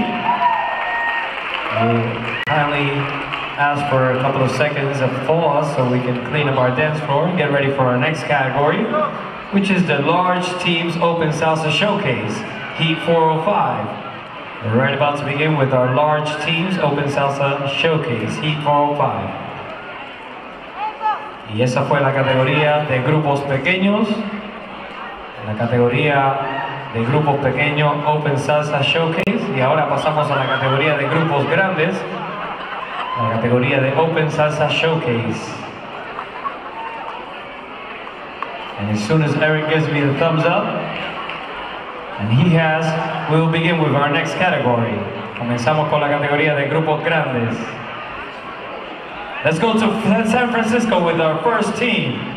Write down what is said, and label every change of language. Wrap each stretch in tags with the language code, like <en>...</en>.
<en>We kindly ask for a couple of seconds of pause so we can clean up our dance floor and get ready for our next category, which is the Large Teams Open Salsa Showcase, Heat 405. We're right about to begin with our Large Teams Open Salsa Showcase, Heat 405.</en> <es>Y esa fue la categoría de grupos pequeños, la categoría de grupos pequeños Open Salsa Showcase, y ahora pasamos a la categoría de grupos grandes, la categoría de Open Salsa Showcase.</es> <en>And as soon as Eric gives me the thumbs up, and he has, we'll begin with our next category.</en> <es>Comenzamos con la categoría de grupos grandes.</es> <en>Let's go to San Francisco with our first team.</en>